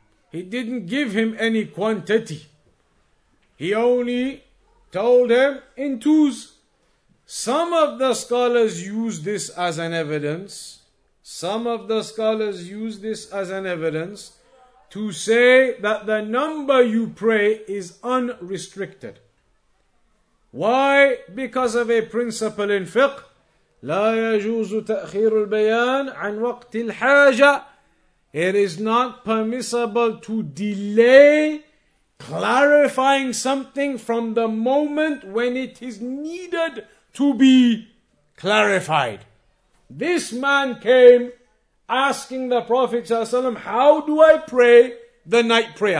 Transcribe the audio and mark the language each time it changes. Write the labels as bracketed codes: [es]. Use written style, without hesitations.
[en] He didn't give him any quantity. He only told him in twos. Some of the scholars use this as an evidence. Some of the scholars use this as an evidence to say that the number you pray is unrestricted. Why? Because of a principle in fiqh. [ar] لا يجوز تأخير البيان عن وقت الحاجة. [en] It is not permissible to delay clarifying something from the moment when it is needed to be clarified. This man came asking the Prophet ﷺ, how do I pray the night prayer?